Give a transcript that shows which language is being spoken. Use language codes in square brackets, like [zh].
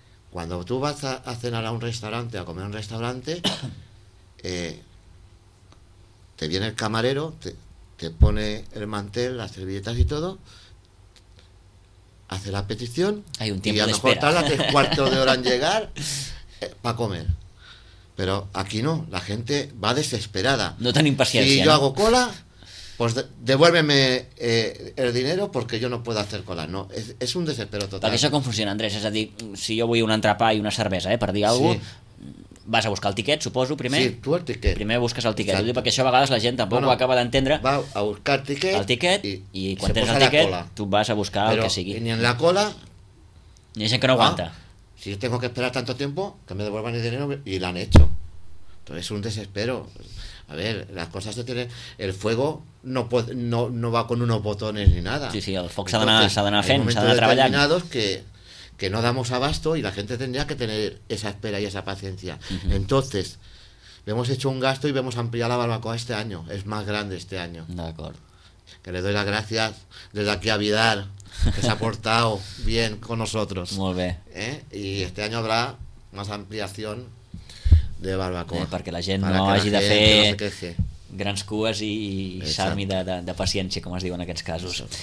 [es] Cuando tú vas a cenar a un restaurante, a comer a un restaurante, te viene el camarero, te pone el mantel, las servilletas y todo, hace la petición. Hay un tiempo y a lo mejor tarda tres cuartos de hora en llegar para comer. Pero aquí no, la gente va desesperada. No tan impaciente. Si yo hago cola, pues devuélveme el dinero porque yo no puedo hacer cola. No, es un desespero total. [ca] Perquè això confusiona, Andrés. És a dir, si jo vull un entrepà i una cervesa, per dir alguna cosa, vas a buscar el tiquet, suposo, primer. Sí, tu el tiquet. Primer busques el tiquet. Perquè això a vegades la gent tampoc ho acaba d'entendre. Va a buscar el tiquet. El tiquet i quan tens el tiquet, tu vas a buscar el que sigui. [es] Ni en la cola... Ni hay gent que no aguanta. Si yo tengo que esperar tanto tiempo, que me devuelvan el dinero y lo han hecho. Entonces es un desespero. A ver, las cosas se tienen... El fuego no, puede, no va con unos botones ni nada. [ca] Sí, el foc s'ha d'anar fent, s'ha d'anar treballant. [es] Hay momentos determinados que no damos abasto y la gente tendría que tener esa espera y esa paciencia. Uh-huh. Entonces, hemos hecho un gasto y hemos ampliado la barbacoa este año. Es más grande este año. [ca] D'acord. [es] Que le doy las gracias desde aquí a Vidar, que se ha portado bien con nosotros. [ca] Molt bé. [es] Y este año habrá más ampliación de barbacoa. [ca] Perquè la gent no hagi de fer grans cues i s'armi de paciència, com es diu en aquests casos.